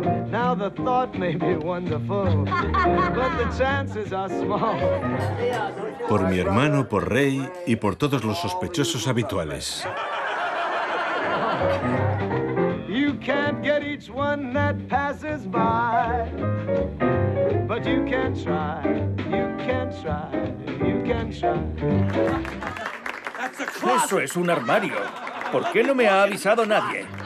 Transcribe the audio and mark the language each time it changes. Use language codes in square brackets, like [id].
[en] Now the thought may be wonderful, but the chances are small. [es] Por mi hermano, por Rey y por todos los sospechosos habituales. [en] You can't get each one that passes by, but you can try, you can try, you can try. [es] ¡Eso es un armario! ¿Por qué no me ha avisado nadie?